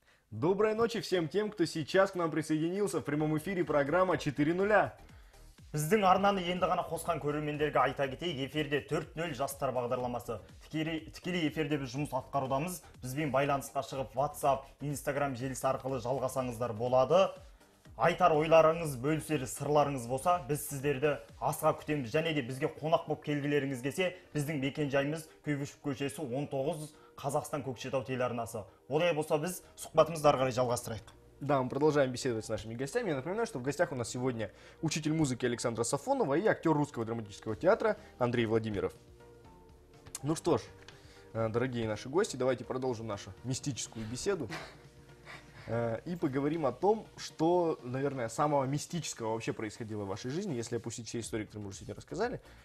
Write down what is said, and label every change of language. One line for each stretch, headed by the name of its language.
Russian: Доброй ночи всем тем, кто сейчас к нам присоединился в прямом эфире программа 4.0.
Kazakh: Біздің арнаны енді ғана қосқан көрермендерге айта кетейік, эфирде 4.0 жастар бағдарламасы. Тікелей эфирде біз жұмыс атқарудамыз. Бізбен байланысқа шығып WhatsApp, Instagram желісі арқылы жалғасаңыздар болады. Айтар ойларыңыз, бөлісер сырларыңыз болса, біз сіздерді асыға күтеміз. Және де бізге қонақ болып келгілеріңіз келсе, біздің мекенжайымыз Куйбышев көшесі 19, Қазақстан Көкшетау телеарнасы. Олай болса, біз сұхбатымызды ары қарай жалғастырайық.
Russian: Да, мы продолжаем беседовать с нашими гостями. Я напоминаю, что в гостях у нас сегодня учитель музыки Александра Сафонова и актер Русского драматического театра Андрей Владимиров. Ну что ж, дорогие наши гости, давайте продолжим нашу мистическую беседу и поговорим о том, что, наверное, самого мистического вообще происходило в вашей жизни, если опустить все истории, которые мы уже сегодня рассказали.